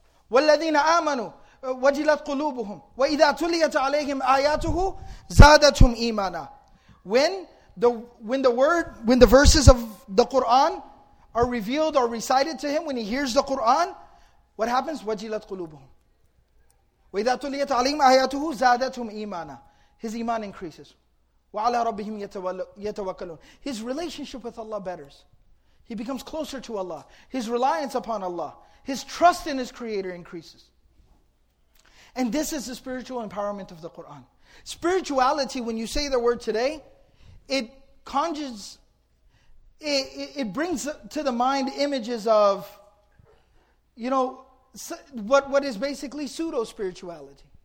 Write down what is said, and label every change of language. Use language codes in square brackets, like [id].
[ar] وَالَّذِينَ آمَنُوا وَجِلَتْ قُلُوبُهُمْ وَإِذَا تُلِيَتْ عَلَيْهِمْ آيَاتُهُ زَادَتْهُمْ إِيمَانًا [en] When the verses of the Qur'an are revealed or recited to him, when he hears the Qur'an, what happens? [ar] وَجِلَتْ قُلُوبُهُمْ وَإِذَا تُلِيَتْ عَلَيْهِمْ آيَاتُهُ زَادَتْهُمْ إِيمَانًا [en] His iman increases. [ar] وَعَلَىٰ رَبِّهِمْ يَتَوَكَّلُونَ [en] His relationship with Allah betters. He becomes closer to Allah. His reliance upon Allah. His trust in His Creator increases. And this is the spiritual empowerment of the Qur'an. Spirituality, when you say the word today, it conjures, it brings to the mind images of, you know, what is basically pseudo-spirituality.